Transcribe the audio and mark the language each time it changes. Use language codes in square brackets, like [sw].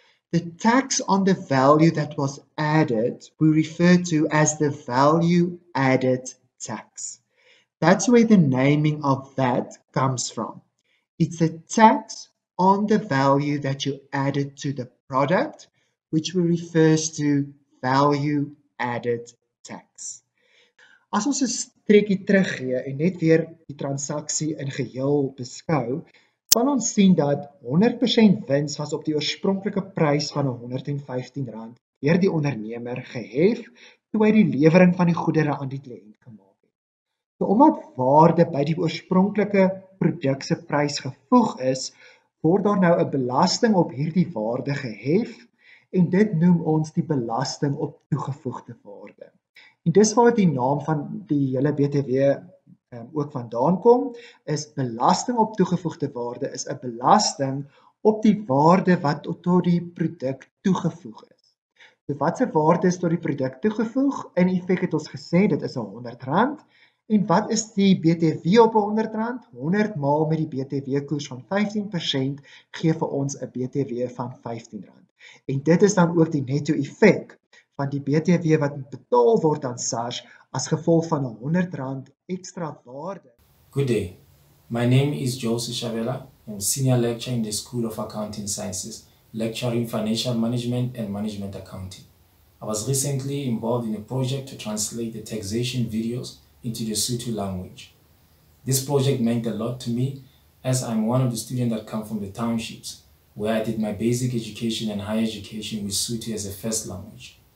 [en] The tax on the value that was added, we refer to as the value added tax. That's where the naming of VAT comes from. It's a tax on the value that you added to the product, which we refer to value added tax. [af] As ons 'n strekkie teruggee en net weer die transaksie in geheel beskou, kan ons sien dat 100% wins was op die oorspronklike prys van R115 deur die ondernemer gehef toe hy die lewering van die goedere aan die kliënt gemaak het. So omdat waarde by die oorspronklike produk se prys gevoeg is, word daar nou 'n belasting op hierdie waarde gehef en dit noem ons die belasting op toegevoegde waarde. En dis waar die naam van die hele BTW ook vandaan kom, is belasting op toegevoegde waarde, is 'n belasting op die waarde wat tot die produk toegevoeg is. So wat se waarde is tot die produk toegevoeg? In effek het ons gesê, dit is R100. En wat is die BTW op R100? 100 maal met die BTW koers van 15% gee vir ons 'n BTW van R15. En dit is dan ook die netto effek van die BTW wat betaal word aan SARS as gevolg van R100 extra waarde. [en] Good day. My name is Joseph Chavela. I'm senior lecturer in the School of Accounting Sciences, lecturing financial management and management accounting. I was recently involved in a project to translate the taxation videos into the Sotho language. This project meant a lot to me as I'm one of the students that come from the townships where I did my basic education and higher education with Sotho as a first language.